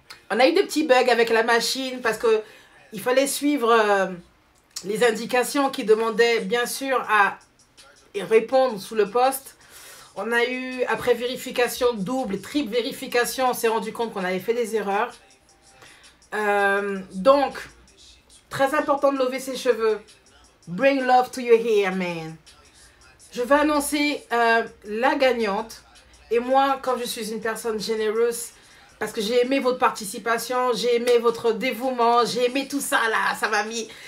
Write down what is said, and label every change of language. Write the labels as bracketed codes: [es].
[fr] On a eu des petits bugs avec la machine parce que il fallait suivre les indications qui demandaient, bien sûr, à répondre sous le poste. On a eu, après vérification, double, triple vérification, on s'est rendu compte qu'on avait fait des erreurs. Donc, très important de lever ses cheveux. [en] Bring love to your hair, man. [fr] Je vais annoncer la gagnante. Et moi, comme je suis une personne généreuse, parce que j'ai aimé votre participation, j'ai aimé votre dévouement, j'ai aimé tout ça là, ça m'a mis.